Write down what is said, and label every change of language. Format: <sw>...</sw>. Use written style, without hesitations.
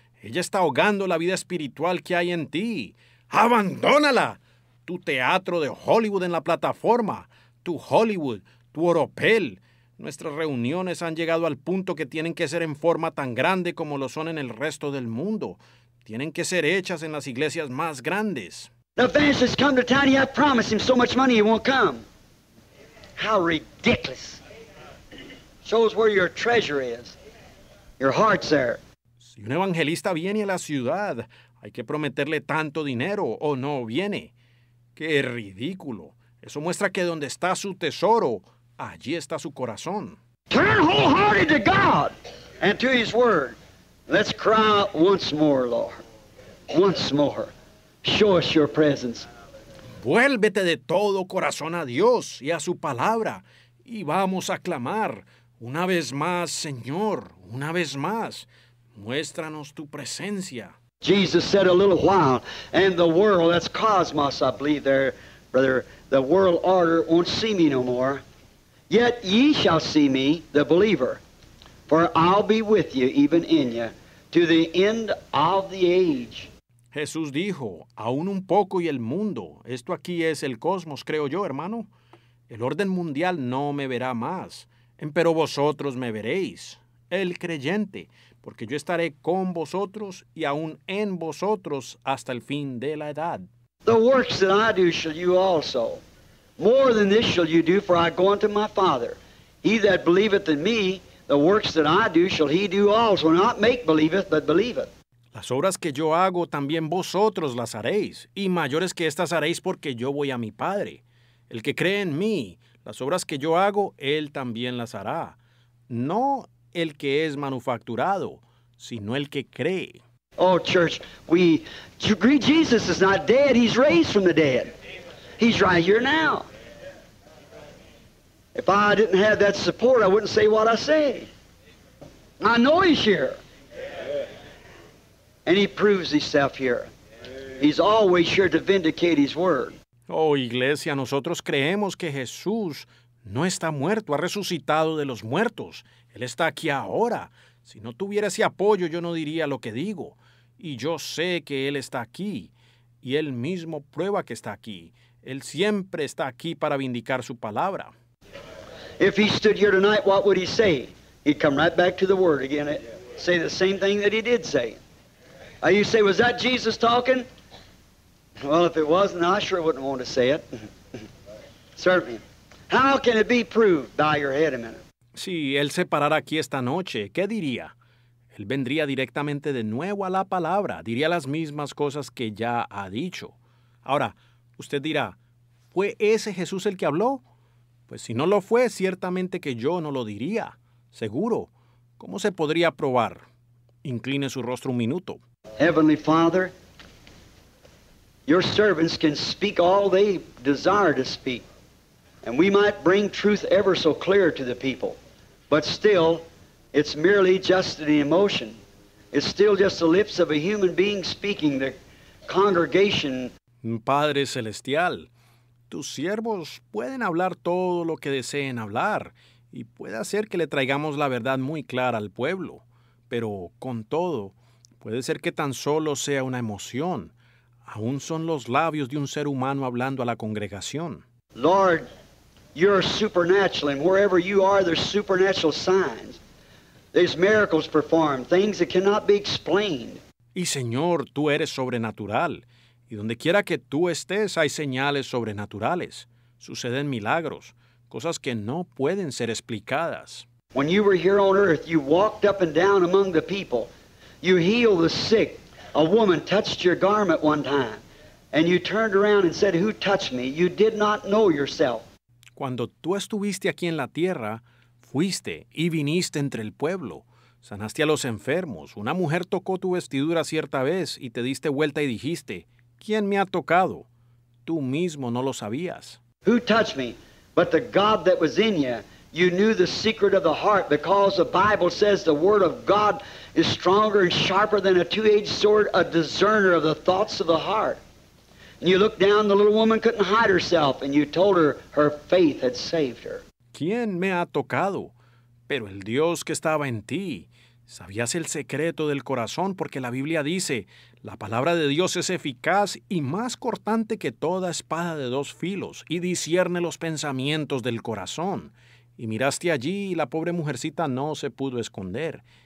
<es>Ella está ahogando la vida espiritual que hay en ti. Abandónala. Tu teatro de Hollywood en la plataforma. Tu Hollywood, tu oropel. Nuestras reuniones han llegado al punto que tienen que ser en forma tan grande como lo son en el resto del mundo. Tienen que ser hechas en las iglesias más grandes.</es> <en>The evangelist come to town, I promised him so much money he won't come. How ridiculous. Shows where your treasure is. Your heart's there.</en> <es>Si un evangelista viene a la ciudad, hay que prometerle tanto dinero o no viene. ¡Qué ridículo! Eso muestra que donde está su tesoro, allí está su corazón.</es> <en>Turn wholehearted to God and to His Word. Let's cry out once more, Lord. Once more. Show us your presence.</en> <es>Vuélvete de todo corazón a Dios y a su palabra, y vamos a clamar una vez más, Señor, una vez más. Muéstranos tu presencia.</es> <en>Jesus said a little while, and the world, that's cosmos, I believe there, brother, the world order won't see me no more. Yet ye shall see me, the believer, for I'll be with you, even in you, to the end of the age.</en> <es>Jesús dijo, aún un poco y el mundo, esto aquí es el cosmos, creo yo, hermano, el orden mundial no me verá más, empero vosotros me veréis, el creyente, porque yo estaré con vosotros y aún en vosotros hasta el fin de la edad.</es> <en>The works that I do shall you also. More than this shall you do, for I go unto my Father. He that believeth in me, the works that I do shall he do also. Not make believeth, but believeth.</en> <es>Las obras que yo hago también vosotros las haréis, y mayores que estas haréis porque yo voy a mi Padre. El que cree en mí, las obras que yo hago, él también las hará. No el que es manufacturado, sino el que cree.</es> <en>Oh, church, we agree Jesus is not dead. He's raised from the dead. He's right here now. If I didn't have that support, I wouldn't say what I say. I know he's here. And he proves himself here. He's always here to vindicate his word.</en> <es>Oh, iglesia, nosotros creemos que Jesús no está muerto, ha resucitado de los muertos. Él está aquí ahora. Si no tuviera ese apoyo, yo no diría lo que digo. Y yo sé que Él está aquí, y Él mismo prueba que está aquí. Él siempre está aquí para vindicar su palabra.</es> <en>If he stood here tonight, what would he say? He'd come right back to the word again, say the same thing that he did say. You say, was that Jesus talking? Well, if it wasn't, I sure wouldn't want to say it. Certainly. How can it be proved? Bow your head a minute.</en> <es>Si Él se parara aquí esta noche, ¿qué diría? Él vendría directamente de nuevo a la palabra. Diría las mismas cosas que ya ha dicho. Ahora, usted dirá, ¿fue ese Jesús el que habló? Pues si no lo fue, ciertamente que yo no lo diría. Seguro. ¿Cómo se podría probar? Incline su rostro un minuto.</es> <en>Heavenly Father, your servants can speak all they desire to speak. And we might bring truth ever so clear to the people. But still, it's merely just an emotion. It's still just the lips of a human being speaking, the congregation.</en> <es>Padre Celestial, tus siervos pueden hablar todo lo que deseen hablar y puede hacer que le traigamos la verdad muy clara al pueblo. Pero con todo, puede ser que tan solo sea una emoción. Aún son los labios de un ser humano hablando a la congregación.</es> <en>Lord, you're supernatural, and wherever you are, there's supernatural signs. There's miracles performed, things that cannot be explained.</en> <es>Y Señor, tú eres sobrenatural, y donde quiera que tú estés, hay señales sobrenaturales. Suceden milagros, cosas que no pueden ser explicadas.</es> <en>When you were here on earth, you walked up and down among the people. You healed the sick. A woman touched your garment one time, and you turned around and said, "Who touched me?" You did not know yourself.</en> <es>Cuando tú estuviste aquí en la tierra, fuiste y viniste entre el pueblo. Sanaste a los enfermos. Una mujer tocó tu vestidura cierta vez y te diste vuelta y dijiste, ¿quién me ha tocado? Tú mismo no lo sabías.</es> <en>Who touched me? But the God that was in you, you knew the secret of the heart because the Bible says the word of God is stronger and sharper than a two-edged sword, a discerner of the thoughts of the heart. And you looked down, the little woman couldn't hide herself, and you told her her faith had saved her.</en> <es>¿Quién me ha tocado? Pero el Dios que estaba en ti. Sabías el secreto del corazón, porque la Biblia dice, la palabra de Dios es eficaz y más cortante que toda espada de dos filos, y discierne los pensamientos del corazón. Y miraste allí, y la pobre mujercita no se pudo esconder.</es>